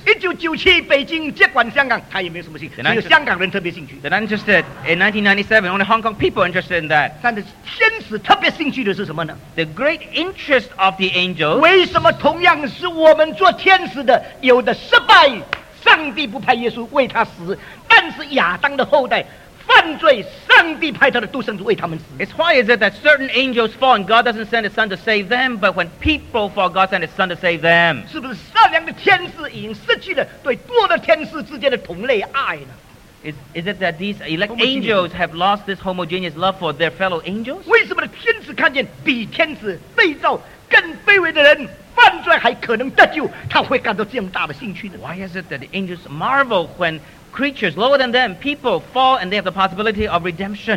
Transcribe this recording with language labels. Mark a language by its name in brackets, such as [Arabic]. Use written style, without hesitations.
[Chinese] 1997, 北京接管香港, 他也没有什么兴趣, [English] they're, [Chinese] 只有香港人特别兴趣, [English] they're not interested in 1997, only Hong Kong people are interested in that. [Chinese] 但是天使特别兴趣的是什么呢? [English] The great interest of the angels. [Chinese] 为什么同样是我们做天使的, 有的失败, 上帝不派耶稣为他死, 但是亚当的后代, 犯罪上帝派他的独生子为他们死 [English] It's why is it that certain angels fall and God doesn't send his son to save them but when people fall God sent his son to save them [Chinese] 是不是善良的天使已经失去了对堕落天使之间的同类爱呢 [English] Is it that these elect angels have lost this homogeneous love for their fellow angels [Chinese] 为什么天使看见比天使被造更卑微的人 犯罪还可能得救 他会感到这样大的兴趣呢 [English] Why is it that the angels marvel when creatures lower than them people fall and they have the possibility of redemption